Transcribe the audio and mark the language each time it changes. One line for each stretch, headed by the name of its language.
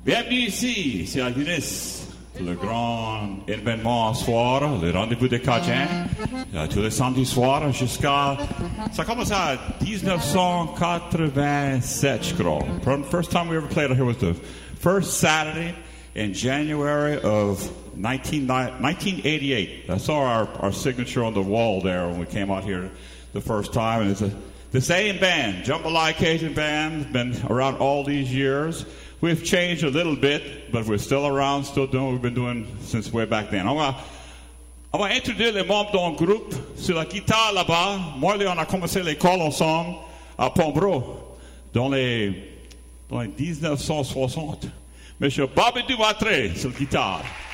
French: Ici, à Guinness, le grand événement soir, le rendez-vous des Cajuns, tous les samedis soirs jusqu'à. Ça commence à 1987, je crois.
English: The first time we ever played here was the first Saturday in January of 1988. I saw our signature on the wall there when we came out here the first time. And it's the same band, Jambalaya Cajun Band, been around all these years. We've changed a little bit, but we're still around, still doing what we've been doing since way back then. I'm gonna
French: introduire les membres d'un groupe sur la guitare là-bas. Moi, là, on a commencé l'école ensemble à Pombro dans les 1960. Monsieur Bobby Dumatré sur la guitare.